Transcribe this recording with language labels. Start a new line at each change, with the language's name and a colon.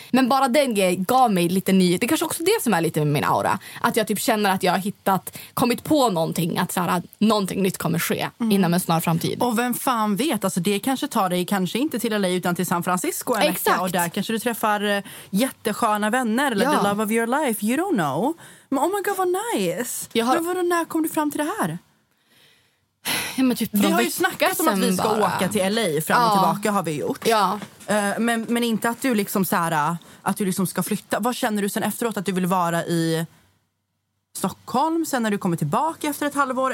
Swedish: Men bara den grejen gav mig lite ny... Det kanske också det som är lite med min aura. Att jag typ känner att jag har hittat, kommit på någonting. Att, så här, att någonting nytt kommer ske inom en snar framtid. Och vem fan vet, alltså det kanske tar dig kanske inte till LA utan till San Francisco. Exakt. Och där kanske du träffar jättesköna vänner. Eller ja.
English: The love of your life, you don't know.
Swedish: Men
English: oh my god,
Swedish: vad nice. Men vadå, när kom du fram till det här? Ja, men typ vi har ju snackat om att vi ska bara åka till LA fram och tillbaka har vi gjort. Ja. Men inte att du liksom så här, att du liksom ska flytta. Vad känner du sen efteråt att du vill vara i Stockholm sen när du kommer tillbaka efter ett halvår?